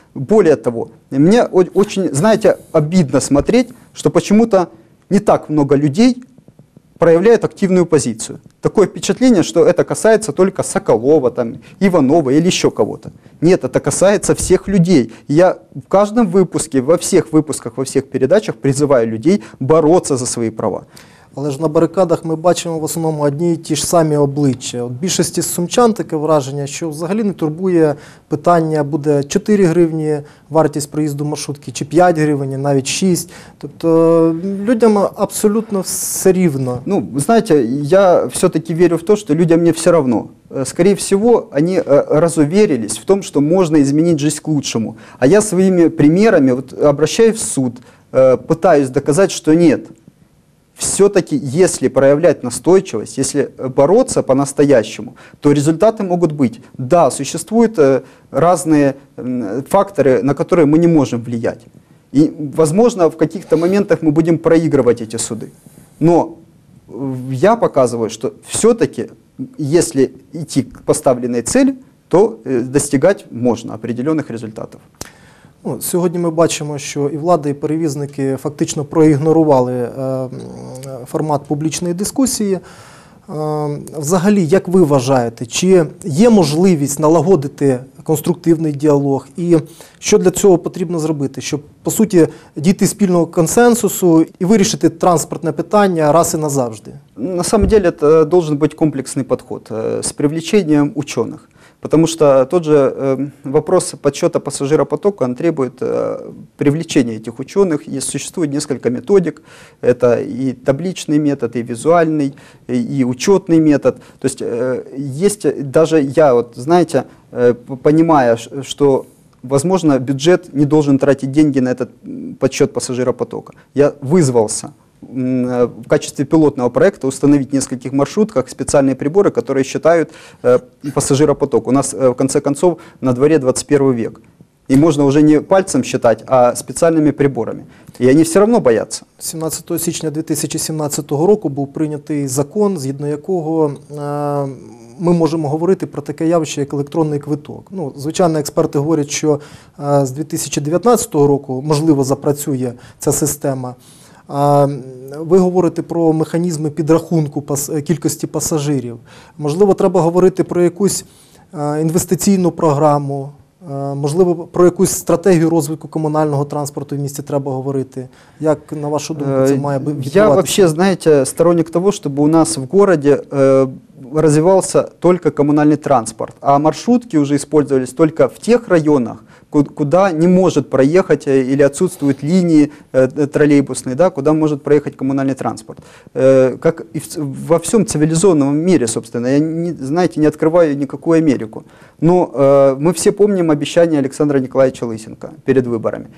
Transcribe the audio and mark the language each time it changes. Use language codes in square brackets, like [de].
[ru] Более того, мне очень, знаете, обидно смотреть, что почему-то не так много людей проявляют активную позицию. Такое впечатление, что это касается только Соколова, там, Иванова или еще кого-то. Нет, это касается всех людей. Я в каждом выпуске, во всех выпусках, во всех передачах призываю людей бороться за свои права. [uk] Але ж на барикадах ми бачимо в основному одні і ті ж самі обличчя. От більшості сумчан таке враження, що взагалі не турбує питання, буде 4 гривні вартість проїзду маршрутки, чи 5 гривень, навіть 6. Тобто людям абсолютно все рівно. Ну, знаєте, я все-таки вірю в те, що людям [ru] не все равно. Скорее всего, они розуверились [uk] в тому, що можна змінити життя [ru] к лучшому. А я [uk] своїми [ru] примерами от, обращаю в суд, пытаюсь [uk] доказати, що [ru] нет. Все-таки, если проявлять настойчивость, если бороться по-настоящему, то результаты могут быть. Да, существуют разные факторы, на которые мы не можем влиять. И, возможно, в каких-то моментах мы будем проигрывать эти суды. Но я показываю, что все-таки, если идти к поставленной цели, то достигать можно определенных результатов. [uk] Ну, сьогодні ми бачимо, що і влада, і перевізники фактично проігнорували формат публічної дискусії. Взагалі, як ви вважаєте, чи є можливість налагодити конструктивний діалог? І що для цього потрібно зробити? Щоб, по суті, дійти спільного консенсусу і вирішити транспортне питання раз і назавжди? [ru] На самом деле, [uk] це має бути комплексний підхід з привлеченням учених. [ru] Потому что тот же вопрос подсчета пассажиропотока, он требует привлечения этих ученых. И существует несколько методик. Это и табличный метод, и визуальный, и учетный метод. То есть есть даже я, вот, знаете, понимая, что, возможно, бюджет не должен тратить деньги на этот подсчет пассажиропотока. Я вызвался в качестве пилотного проекта установить в нескольких маршрутках специальные приборы, которые считают пассажиропоток. У нас, в конце концов, на дворе 21 век. И можно уже не пальцем считать, а специальными приборами. И они все равно боятся. [uk] 17 січня 2017 року був прийнятий закон, згідно якого ми можемо говорити про таке явище, як електронний квиток. Ну, звичайно, експерти говорять, що з 2019 року, можливо, запрацює ця система. Ви говорите про механізми підрахунку кількості пасажирів. Можливо, треба говорити про якусь інвестиційну програму, можливо, про якусь стратегію розвитку комунального транспорту в місті треба говорити. Як, на вашу думку, це має відбуватися? Я взагалі, знаєте, сторонник того, щоб у нас в місті розвивався тільки комунальний транспорт, а маршрутки вже використовувалися тільки в тих районах, [ru] куда не может проехать или отсутствуют линии троллейбусные, да, куда может проехать коммунальный транспорт. Как и во всем цивилизованном мире, собственно, я, знаете, не открываю никакую Америку. Но мы все помним обещание Александра Николаевича Лысенко перед выборами.